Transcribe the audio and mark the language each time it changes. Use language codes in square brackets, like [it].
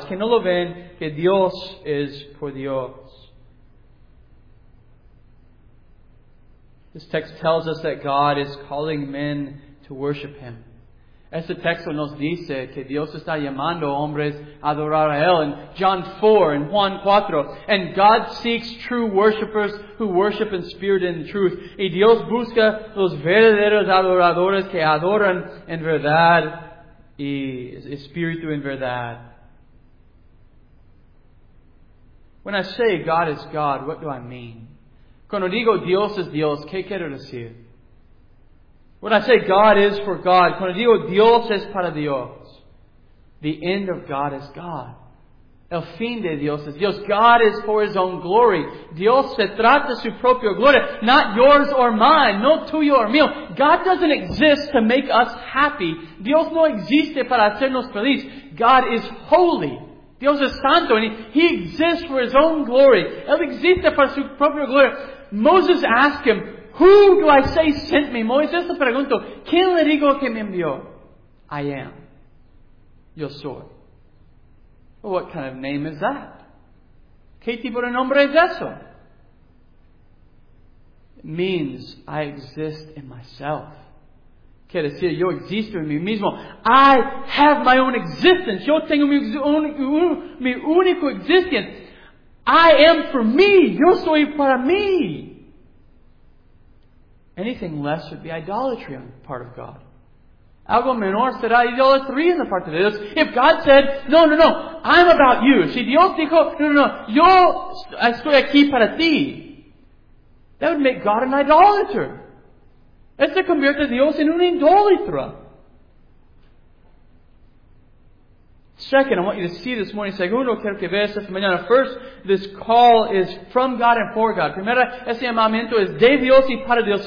[es] Es que no lo ven que Dios es por Dios. [en] This text tells us that God is calling men to worship Him. [es] Este texto nos dice que Dios está llamando hombres a adorar a Él. [en] In John 4, in [es] Juan 4. [en] And God seeks true worshipers who worship in spirit and in truth. [es] Y Dios busca los verdaderos adoradores que adoran en verdad y espíritu en verdad. [en] When I say God is God, what do I mean? [es] Cuando digo Dios es Dios, ¿qué quiero decir? [en] When I say God is for God, [es] cuando digo Dios es para Dios, [en] the end of God is God. [es] El fin de Dios es Dios. [en] God is for His own glory. [es] Dios se trata su propia gloria. [en] Not yours or mine. [es] No tuyo or mío. [en] God doesn't exist to make us happy. [es] Dios no existe para hacernos feliz. [en] God is holy. [es] Dios es santo. [en] And He exists for His own glory. [es] Él existe para su propia gloria. [en] Moses asked Him, who do I say sent me? [es] Moisés le preguntó, ¿quién le digo que me envió? [en] I am. [es] Yo soy. [en] Well, what kind of name is that? [es] ¿Qué tipo de nombre es eso? [en] It means I exist in myself. [es] Quiere decir, yo existo en mí mismo. [en] I have my own existence. [es] Yo tengo mi único existence. [en] I am for me. [es] Yo soy para mí. [en] Anything less would be idolatry on the part of God. [es] Algo menor será idolatría en la parte de Dios. [en] If God said, no, no, no, I'm about you. [es] Si Dios dijo, no, no, no, yo estoy aquí para ti. [en] That would make God an idolater. [es] Esto convierte a Dios en un idólatra. [en] Second, I want you to see this morning. [es] Segundo, quiero que veas esta mañana. [en] First, this call is from God and for God. [es] Primera, este llamamiento es de Dios y para Dios.